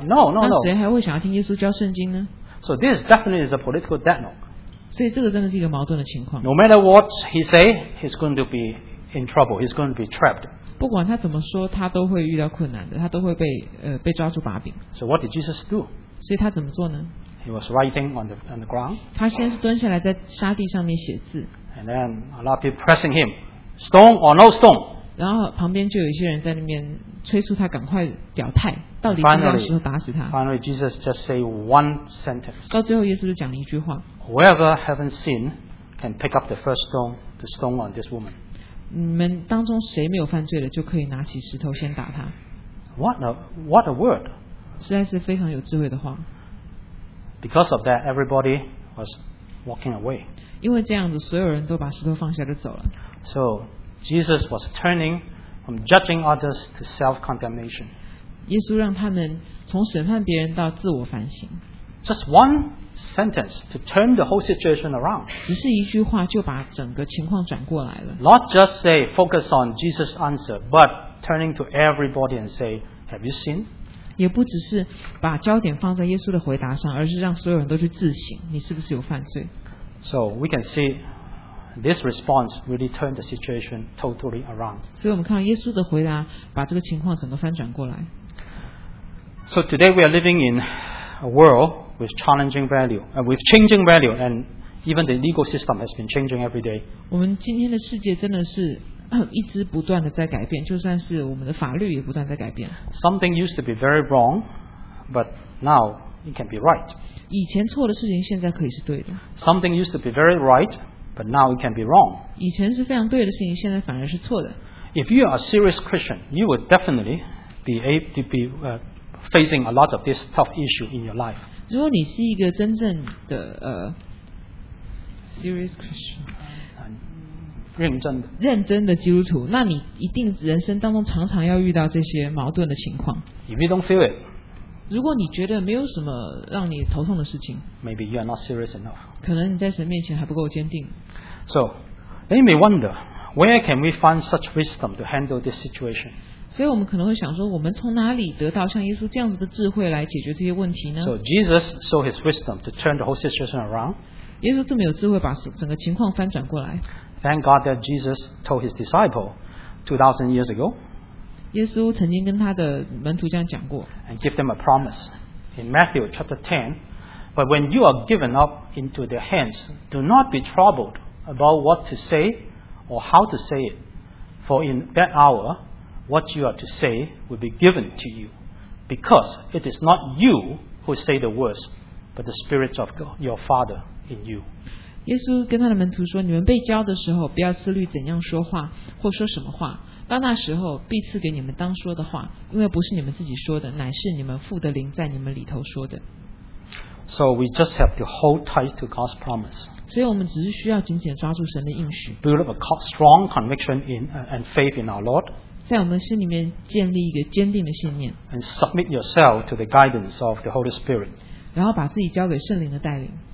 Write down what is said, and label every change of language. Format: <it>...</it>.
<en>No.</en> <zh>那谁还会想要听耶稣教圣经呢</zh> <en>？So this definitely is a political deadlock.</en> <zh>所以这个真的是一个矛盾的情况。</zh> <en>No matter what he say, he's going to be in trouble. He's going to be trapped.</en> <zh>不管他怎么说，他都会遇到困难的，他都会被抓住把柄。</zh> <en>So what did Jesus do?</en> <zh>所以他怎么做呢</zh> <en>？He was writing on the ground.</en> <zh>他先是蹲下来在沙地上面写字。</zh> <en>And then a lot of people pressing him, stone or no stone.</en> <zh>然后旁边就有一些人在那边催促他赶快表态，到底是要石头打死他。</zh> <en>Finally, Jesus just say one sentence.</en> <zh>到最后，耶稣就讲了一句话。</zh> <en>Whoever haven't sinned can pick up the first stone, the stone on this woman.</en> <zh>你们当中谁没有犯罪的，就可以拿起石头先打他。</zh> <en>What a word!</en> <zh>实在是非常有智慧的话。</zh> <en>Because of that, everybody was walking away.</en> <zh>因为这样子，所有人都把石头放下就走了。</zh> <en>So. Jesus was turning from judging others to self-condemnation.</en> <zh>耶稣让他们从审判别人到自我反省。</zh> <en>Just one sentence to turn the whole situation around.</en> <zh>只是一句话就把整个情况转过来了。</zh> <en>Not just say focus on Jesus' answer, but turning to everybody and say, "Have you seen?"</en> <zh>也不只是把焦点放在耶稣的回答上，而是让所有人都去自省，你是不是有犯罪？</zh> <en>So we can see. This response really turned the situation totally around.</en> <zh>所以我们看到耶稣的回答把这个情况整个翻转过来。</zh> <en>So today we are living in a world with challenging value, with changing value, and even the legal system has been changing every day.</en> <zh>我们今天的世界真的是一直不断的在改变，就算是我们的法律也不断在改变。</zh> <en>Something used to be very wrong, but now it can be right.</en> <zh>以前错的事情现在可以是对的。</zh> <en>Something used to be very right. But now it can be wrong.</en> <zh>以前是非常对的事情，现在反而是错的。</zh> <en>If you are a serious Christian, you would definitely be able to be facing a lot of this tough issue in your life.</en> <zh>如果你是一个真正的</zh> <en>serious Christian,</en> <zh>认真的基督徒，那你一定人生当中常常要遇到这些矛盾的情况。</zh> <en>If you don't feel it,</en> <zh>如果你觉得没有什么让你头痛的事情</zh> <en>，maybe you are not serious enough.</en> <zh>可能你在神面前还不够坚定。</zh> <en>So, they may wonder, where can we find such wisdom to handle this situation?</en> <zh>所以我们可能会想说，我们从哪里得到像耶稣这样子的智慧来解决这些问题呢？</zh> <en>So Jesus showed his wisdom to turn the whole situation around.</en> <zh>耶稣这么有智慧，把整个情况翻转过来。</zh> <en>Thank God that Jesus told his disciple 2,000 years ago.</en> <zh>耶稣曾经跟他的门徒这样讲过。</zh> <en>And give them a promise in Matthew chapter 10. But when you are given up into their hands, do not be troubled. About what to say or how to say it, for in that hour, what you are to say will be given to you, because it is not you who say the words, but the Spirit of God, your Father in you.</en> <zh>耶稣跟他的门徒说：“你们被教的时候，不要思虑怎样说话或说什么话。到那时候，必赐给你们当说的话，因为不是你们自己说的，乃是你们父的灵在你们里头说的。”</zh> <en>So we just have to hold tight to God's promise.</en> <zh>所以我们只是需要紧紧抓住神的应许。</zh> <en>Build up a strong conviction in and faith in our Lord.</en> <zh>在我们心里面建立一个坚定的信念。</zh> <en>And submit yourself to the guidance of the Holy Spirit.</en> <zh>然后把自己交给圣灵的带领。</zh>